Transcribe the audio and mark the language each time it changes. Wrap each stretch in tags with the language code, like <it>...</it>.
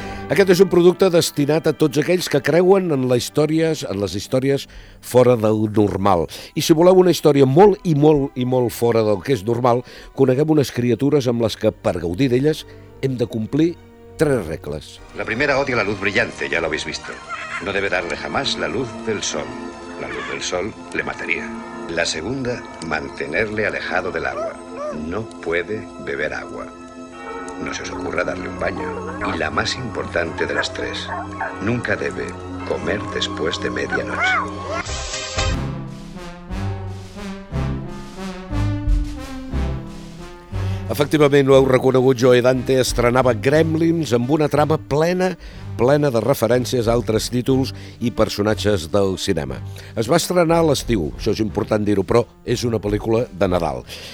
<ca>Aquest és un producte destinat a tots aquells que creuen en les històries, fora del normal. I si voleu una història molt i molt i molt fora del que és normal, coneguem unes criatures amb les que, per gaudir d'elles, hem de complir tres regles.</ca> <es>La primera, odia la luz brillante, ya lo habéis visto. No debe darle jamás la luz del sol. La luz del sol le mataría. La segunda, mantenerle alejado del agua. No puede beber agua. No se os ocurra darle un baño. Y la más importante de las tres, nunca debe comer después de medianoche.</es> <ca>Efectivament, ho heu reconegut, Joe Dante estrenava Gremlins amb una trama plena de referències a altres títols i personatges del cinema. Es va estrenar a l'estiu, això és important dir-ho, però és una pel·lícula de Nadal.</ca>